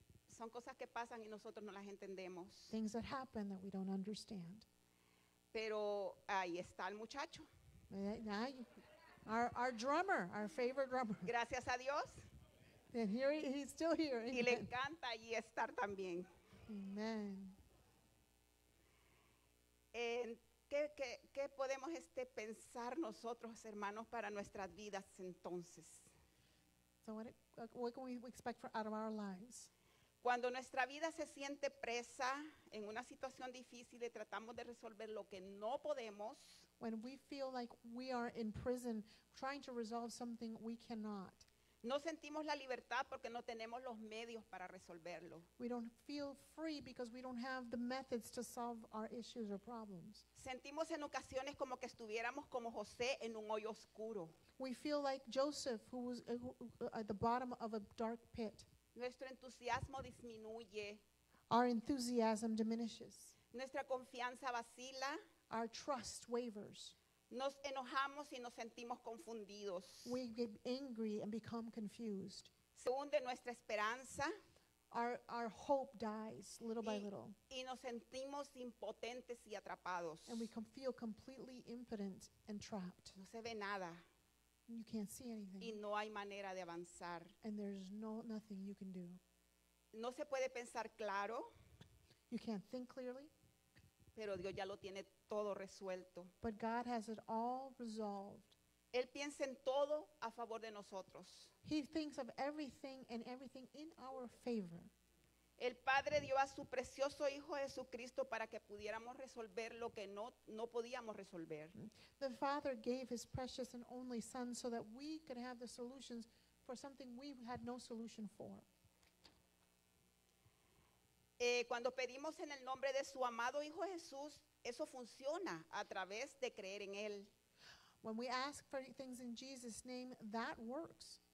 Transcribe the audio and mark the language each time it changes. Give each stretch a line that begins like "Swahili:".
Spanish: Son cosas que pasan y nosotros no las entendemos.
English: Things that happen that we don't understand.
Spanish: Pero ahí está el muchacho.
English: Our drummer, our favorite drummer.
Spanish: Gracias a Dios.
English: And here he's still here.
Spanish: Y le encanta allí estar también.
English: Amen.
Spanish: ¿Qué podemos pensar nosotros, hermanos, para nuestras vidas entonces?
English: So what can we expect out of our lives?
Spanish: Cuando nuestra vida se siente presa en una situación difícil y tratamos de resolver lo que no podemos.
English: When we feel like we are in prison trying to resolve something we cannot.
Spanish: No sentimos la libertad porque no tenemos los medios para resolverlo.
English: We don't feel free because we don't have the methods to solve our issues or problems.
Spanish: Sentimos en ocasiones como que estuviéramos como José en un hoyo oscuro.
English: We feel like Joseph who was at the bottom of a dark pit.
Spanish: Nuestro entusiasmo disminuye.
English: Our enthusiasm diminishes.
Spanish: Nuestra confianza vacila.
English: Our trust wavers.
Spanish: Nos enojamos y nos sentimos confundidos.
English: We get angry and become confused.
Spanish: Se hunde nuestra esperanza.
English: Our hope dies little by little.
Spanish: Y nos sentimos impotentes y atrapados.
English: And we feel completely impotent and trapped.
Spanish: No se ve nada.
English: You can't see anything.
Spanish: Y no hay manera de avanzar.
English: And there's nothing you can do.
Spanish: No se puede pensar claro.
English: You can't think clearly.
Spanish: Pero Dios ya lo tiene todo resuelto.
English: But God has it all resolved.
Spanish: Él piensa en todo a favor de nosotros.
English: He thinks of everything and everything in our favor.
Spanish: El Padre dio a su precioso Hijo Jesucristo para que pudiéramos resolver lo que no podíamos resolver.
English: The Father gave His precious and only Son so that we could have the solutions for something we had no solution for.
Spanish: Cuando pedimos en el nombre de su amado Hijo Jesús, eso funciona a través de creer en Él.
English: When we ask for things in Jesus' name, that works.